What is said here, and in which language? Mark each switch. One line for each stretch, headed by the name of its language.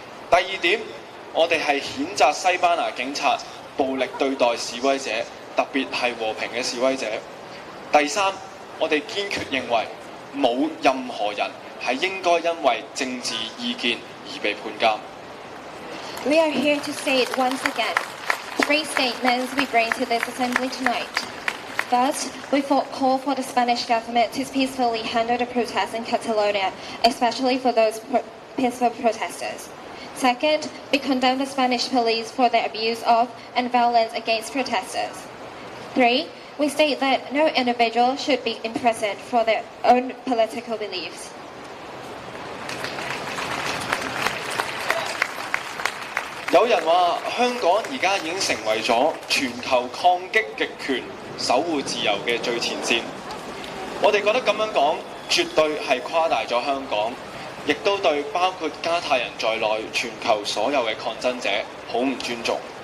Cantonese: 第二点，我们是谴责西班牙警察暴力对待示威者，特别是和平的示威者。第三，我们坚决认为没有任何人是应该因为政治意见而被判监。
English: We are here to say it once again. Three statements we bring to this assembly tonight. First, we call for the Spanish government to peacefully handle the protests in Catalonia, especially for those peaceful protesters. Second, we condemn the Spanish police for their abuse of and violence against protesters. Three, we state that no individual should be imprisoned for their own political beliefs.
Cantonese: 有人说香港现在已经成为了全球抗击极权、守护自由的最前线。我们觉得这样说绝对是夸大了香港，亦都对包括加泰人在内全球所有的抗争者很不尊重。